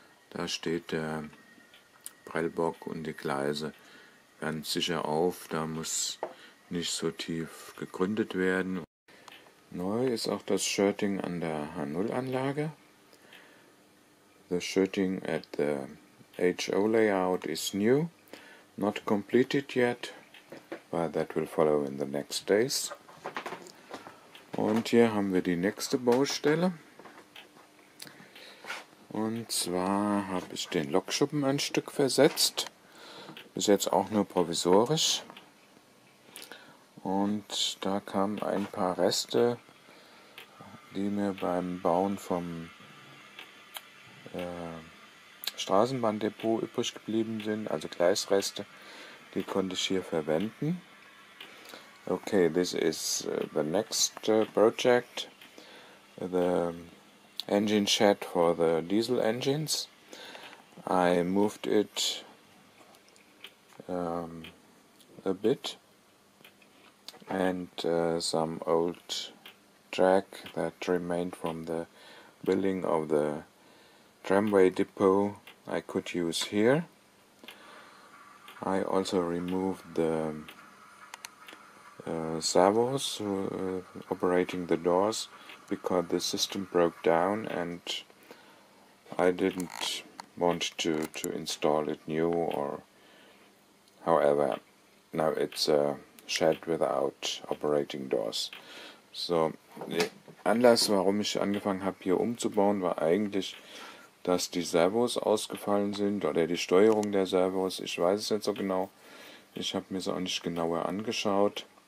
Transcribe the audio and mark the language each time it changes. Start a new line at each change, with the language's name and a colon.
German: Da steht der Prellbock und die Gleise ganz sicher auf. Da muss nicht so tief gegründet werden. Neu ist auch das Schirting an der H0-Anlage.
English: The Schirting at the HO layout is new, not completed yet. But that will follow in the next days.
German: Und hier haben wir die nächste Baustelle. Und zwar habe ich den Lokschuppen ein Stück versetzt. Ist jetzt auch nur provisorisch. Und da kamen ein paar Reste, die mir beim Bauen vom Straßenbahndepot übrig geblieben sind, also Gleisreste. Die konnte ich hier verwenden.
English: Okay, this is the next project, the engine shed for the diesel engines. I moved it a bit, and some old track that remained from the building of the tramway depot I could use here. I also removed the servos operating the doors because the system broke down and I didn't want to install it new or however. Now it's a shed without operating doors.
German: So, der Anlass, warum ich angefangen habe, hier umzubauen, war eigentlich, dass die Servos ausgefallen sind oder die Steuerung der Servos. Ich weiß es nicht so genau. Ich habe mir es auch nicht genauer angeschaut.